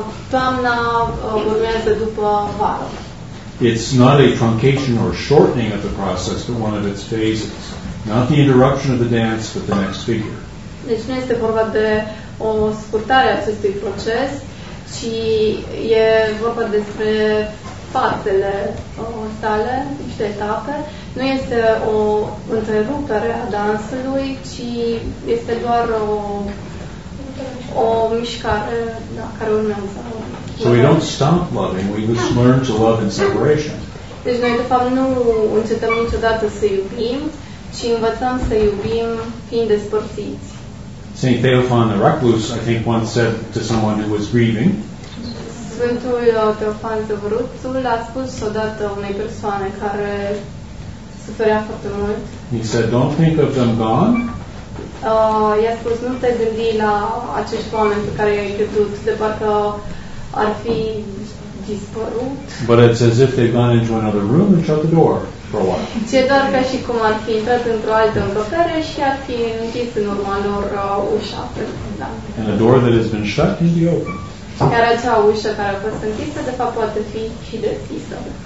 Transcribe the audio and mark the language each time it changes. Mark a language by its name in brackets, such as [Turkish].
[Romanian] toamna urmează după vară. [English] It's not a truncation or shortening of the process, but one of its phases. Not the interruption of the dance, but the next figure. [Romanian] Deci nu este vorba de o scurtare a acestui proces, ci e vorba despre fazele sale, niște etape. Nu este o întrerupere a dansului, ci este doar o mișcare da, care urmează. [English] So we don't stop loving, we just learn to love in separation. [Romanian] Deci noi, de fapt, nu încetăm niciodată să iubim, ci învățăm să iubim fiind despărțiți. [English] St. Theophan the Recluse, I think, once said to someone who was grieving, [Romanian] Sfântul Teofan Zăvăruțul a spus odată unei persoane care suferea foarte mult. [English] He said, don't think of them gone. [Romanian] I-a spus, nu te gândi la acești oameni pe care i-ai pierdut, de parcă ar fi dispărut. [English] But it's as if they've gone into another room and shut the door for a while. [Romanian] Ce doar ca și cum ar fi intrat într-o altă încăpere și ar fi închis în urma lor ușa. [English] And a door that has been shut can be opened. [Romanian] Chiar acea ușă care a fost închisă, de fapt, poate fi și deschisă.